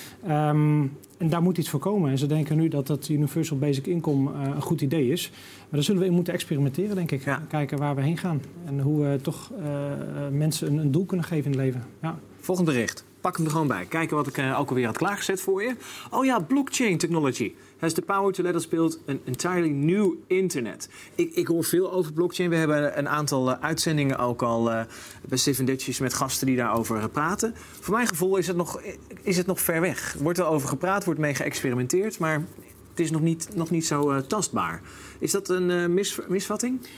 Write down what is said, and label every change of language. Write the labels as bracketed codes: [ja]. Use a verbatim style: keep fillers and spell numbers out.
[nl] Um, en daar moet iets voor komen. En ze denken nu dat dat Universal Basic Income uh, een goed idee is. Maar daar zullen we in moeten experimenteren, denk ik. Ja. Kijken waar we heen gaan. En hoe we toch uh, mensen een, een doel kunnen geven in het leven. Ja. Volgend bericht. Pak hem er gewoon bij. Kijken wat ik uh, ook alweer had klaargezet voor je. [en] Oh ja, blockchain technology has the power to let us build an entirely new internet. [nl] Ik, ik hoor veel over blockchain. We hebben een aantal uh, uitzendingen ook al uh, bij Stephen Ditches met gasten die daarover uh, praten. Voor mijn gevoel is het, nog, is het nog ver weg. Wordt er over gepraat, wordt mee geëxperimenteerd, maar het is nog niet, nog niet zo uh, tastbaar. Is dat een uh, mis, misvatting?